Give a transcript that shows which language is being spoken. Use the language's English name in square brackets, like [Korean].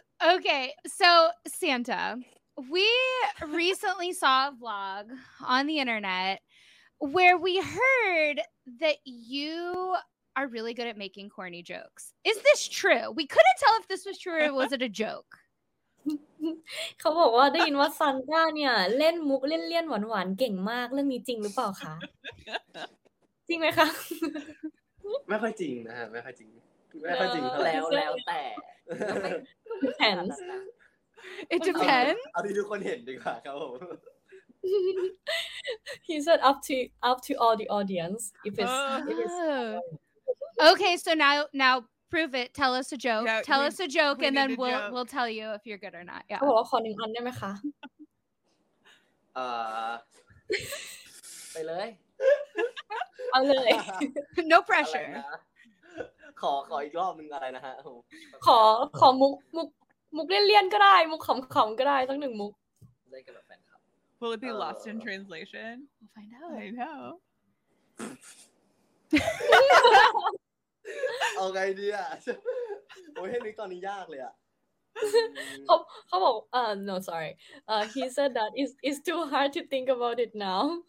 [English] Okay, so Santa, we recently saw a vlog on the internet where we heard that you are really good at making corny jokes. Is this true? We couldn't tell if this was true or was it a joke. [Thai] เขาบอกว่าได้ยินว่าซันต้าเนี่ยเล่นมุกเลี่ยนๆหวานๆเก่งมากเรื่องนี้จริงหรือเปล่าคะจริงไหมคะ ไม่ค่อยจริงนะฮะไม่ค่อยจริงไม่ค่อยจริง แล้วแล้วแต่ [English] depends it depends [Thai] เอาที่ทุกคนเห็นดีกว่าครับผม [English] he said up to all the audience if it's okay so now prove it. Tell us a joke. Yeah, tell us a joke, and then we'll tell you if you're good or not. Yeah. [Thai] Oh, ขอหนึ่งอันได้ไหมคะ ไปเลย เอาเลย [English] No pressure. [Thai] ขออีกรอบหนึ่งอะไรนะฮะ ขอมุกเลี่ยนๆก็ได้มุกขำๆก็ได้ตั้งหนึ่งมุก [English] Will it be lost in translation? We'll find out. I know. [Thai] เอาไงดีอ่ะโอ้ยให้นึกตอนนี้ยากเลยอ่ะ เขาบอก [English] no sorry he said that it's too hard to think about it now